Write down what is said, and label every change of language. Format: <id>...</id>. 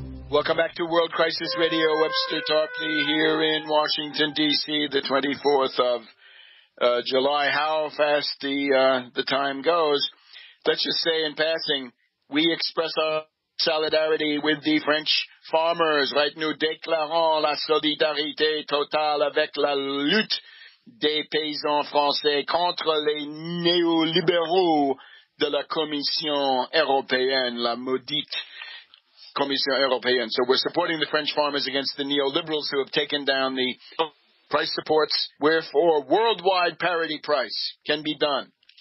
<en>Welcome back to World Crisis Radio. Webster Tarpley here in Washington, D.C., the 24th of July. How fast the time goes. Let's just say in passing, we express our solidarity with the French farmers, right?</en> <fr>Nous déclarons la solidarité totale avec la lutte des paysans français contre les néolibéraux de la Commission européenne, la maudite Commission européenne.</fr> <en>So we're supporting the French farmers against the neoliberals who have taken down the price supports, wherefore worldwide parity price can be done.</en>